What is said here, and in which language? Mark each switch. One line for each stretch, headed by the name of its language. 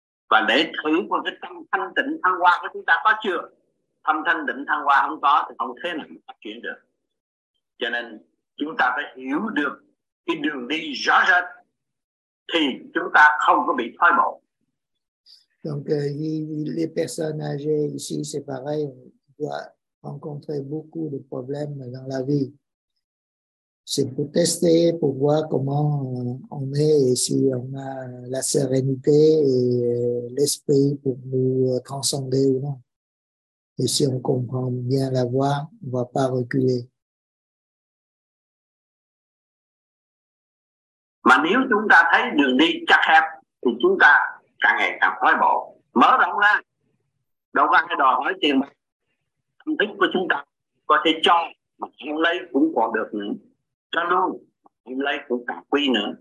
Vietnamese: Và để thử qua cái tâm thanh tịnh thăng hoa của chúng ta có chưa. Tâm thanh tịnh thăng hoa không có thì không thế nào phát triển được. Cho nên chúng ta phải hiểu được cái đường đi rõ rệt thì chúng ta không có bị thoái bộ.
French: Donc les personnes âgées ici c'est pareil, on doit rencontrer beaucoup de problèmes dans la vie. C'est pour tester, pour voir comment on est et si on a la sérénité et l'esprit pour nous transcender ou non. Et si on comprend bien la voie, on ne va pas reculer.
Vietnamese: Mà nếu chúng ta thấy đường đi chật hẹp thì chúng ta càng ngày càng thoái bộ, mở rộng ra, đâu có ai đòi hỏi tiền bạc. Tâm thức của chúng ta có thể cho mà không lấy cũng còn được nữa, cho luôn không lấy cũng càng quy nữa.